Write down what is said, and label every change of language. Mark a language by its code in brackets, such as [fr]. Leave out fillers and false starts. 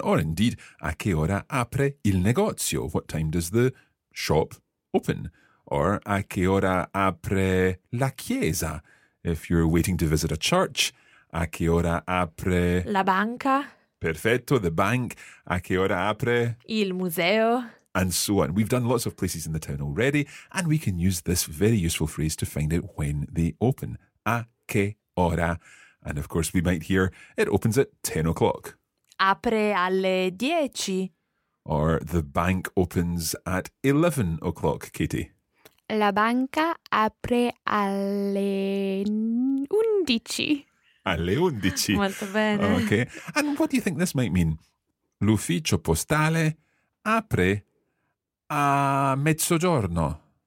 [en] Or indeed, [it] a che ora apre il negozio? [en] What time does the shop open? [it] Or a che ora apre la chiesa? [en] If you're waiting to visit a church, [it] a che ora apre... La banca. Perfetto, [en] the bank. [it] A che ora apre... Il museo. [en] And so on. We've done lots of places in the town already, and we can use this very useful phrase to find out when they open. [it] A che ora. [en] And of course, we might hear, it opens at 10 o'clock. [it] Apre alle 10. [en] Or the bank opens at 11 o'clock, Katie. [it] La banca apre alle 11. Alle 11. Molto bene. [en] Okay. And what do you think this might mean? [it] L'ufficio postale apre a mezzogiorno.